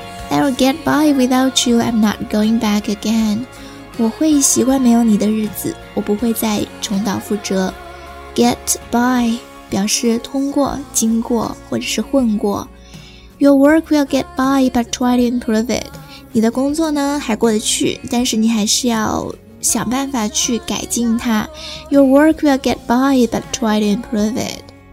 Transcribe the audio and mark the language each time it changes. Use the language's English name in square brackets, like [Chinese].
[English] I'll get by without you, I'm not going back again. [Chinese] 我会习惯没有你的日子，我不会再重蹈覆辙。 Get by 表示通过、经过或者是混过。 [English] Your work will get by, but try to improve it. [Chinese] 你的工作呢还过得去，但是你还是要想办法去改进它。 [English] Your work will get by, but try to improve it.